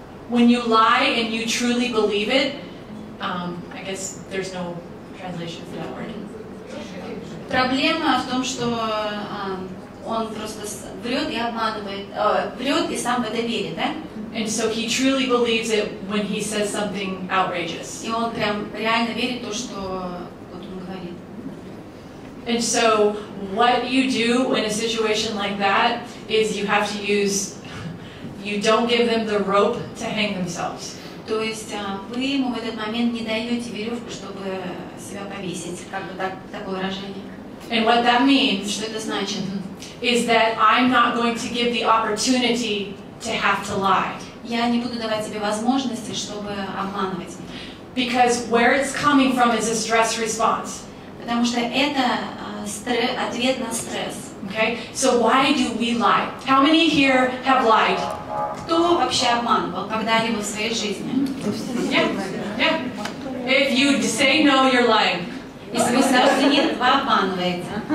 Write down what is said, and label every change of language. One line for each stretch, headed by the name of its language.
English: When you lie and you truly believe it, I guess there's no translation for that word.
Russian: Проблема в том, что он просто врет и обманывает, врет и сам в это верит, да?
English: And so he truly believes it when he says something outrageous.
Russian: И он прям реально верит то, что вот он говорит.
English: And so what you do in a situation like that is you have to use, you don't give them the rope to hang themselves.
Russian: То есть вы ему в этот момент не даете веревку, чтобы себя повесить, как бы так, такое выражение.
English: And what that means
Russian: что это значит?
English: Is that I'm not going to give the opportunity to have to lie.
Russian: Я не буду давать тебе возможности, чтобы обманывать меня.
English: Because where it's coming from is a stress response.
Russian: Потому что это ответ на стресс.
English: Okay? So why do we lie? How many here have lied?
Russian: Кто вообще обманывал когда-либо в своей жизни?
English: Yeah. If you say no, you're lying.
Russian: Если вы скажете нет, вы обманываете.